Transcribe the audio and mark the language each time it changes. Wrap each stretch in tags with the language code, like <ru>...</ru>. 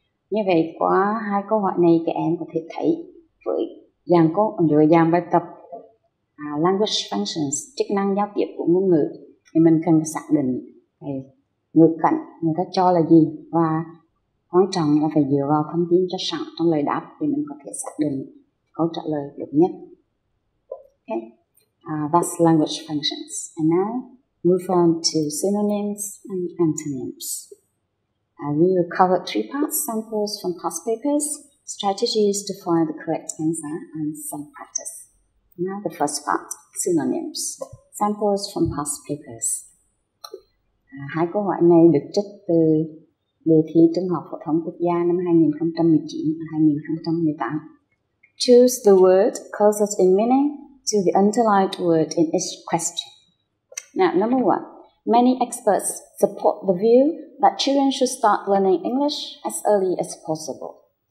<vi>Như vậy, qua hai câu hỏi này, các em có thể thấy với dàn bài tập language functions, chức năng giao tiếp của ngôn ngữ, thì mình cần xác định ngữ cảnh người ta cho là gì và quan trọng là phải dựa vào thông tin cho sẵn trong lời đáp thì mình có thể xác định câu trả lời đúng nhất.</vi> <en>Okay, that's language functions. And now move on to synonyms and antonyms. We will cover three parts: samples from past papers, strategies to find the correct answer, and some practice. Now the first part: synonyms. Samples from past papers.</en> <vi>Hai câu hỏi này được trích từ đề thi trung học phổ thông quốc gia năm 2019 và 2018.</vi> <en>Choose the word closest in meaning to the underlined word in each question. Now, number one, many experts support the view that children should start learning English as early as possible.</en>